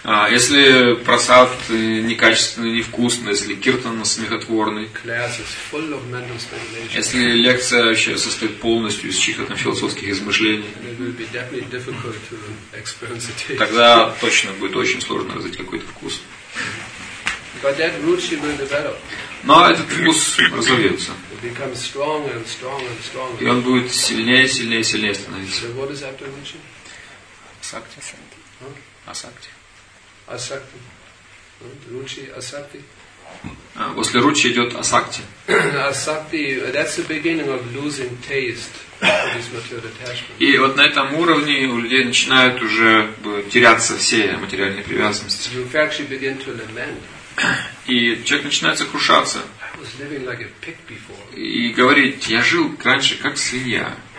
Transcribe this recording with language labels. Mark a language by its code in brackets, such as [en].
[ru] Если прасад некачественный, невкусный, если киртан смехотворный, [en] class is full of mental speculation. [ru] Если лекция вообще состоит полностью из чьих-то философских измышлений, [en] it will be definitely difficult to experience the taste. [ru] Тогда точно будет очень сложно развить какой-то вкус. [en] But that ruchi will develop. [ru] Но этот вкус разовьется. [en] It becomes stronger and stronger and stronger. [ru] И он будет сильнее, сильнее, сильнее становиться. [en] So what is after ruchi? Asakti. Asakti. Asakti. Ruchi, asakti. [ru] После ruchi идет asakti. [en] Asakti, that's the beginning of losing taste for this material attachment. [ru] И вот на этом уровне у людей начинают уже теряться все материальные привязанности. [en] You actually begin to lament. [ru] И человек начинает сокрушаться. [en] I was living like a pig before. [ru] И говорит, я жил раньше как свинья.